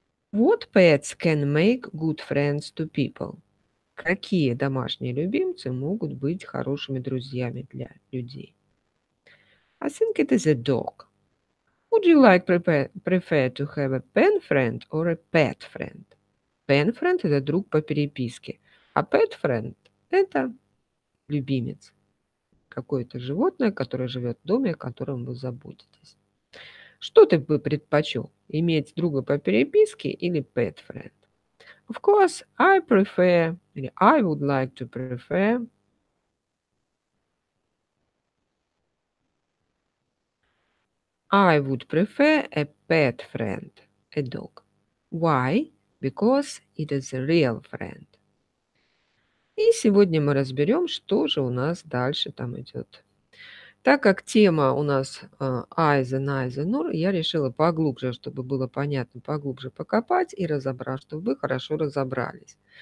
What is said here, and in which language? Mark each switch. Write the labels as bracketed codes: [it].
[en] What pets can make good friends to people? [ru] Какие домашние любимцы могут быть хорошими друзьями для людей? [en] I think it is a dog. Would you like prefer to have a pen friend or a pet friend? [ru] Pen friend – это друг по переписке, а pet friend – это любимец. Какое-то животное, которое живет в доме, о котором вы заботитесь. Что ты бы предпочел – иметь друга по переписке или pet friend? [en] Of course, I prefer, или I would like to prefer. I would prefer a pet friend, a dog. Why? Because it is a real friend. [ru] И сегодня мы разберем, что же у нас дальше там идет. Так как тема у нас [en] eyes and eyes and nor, [ru] я решила поглубже, чтобы было понятно, поглубже покопать и разобрать, чтобы вы хорошо разобрались.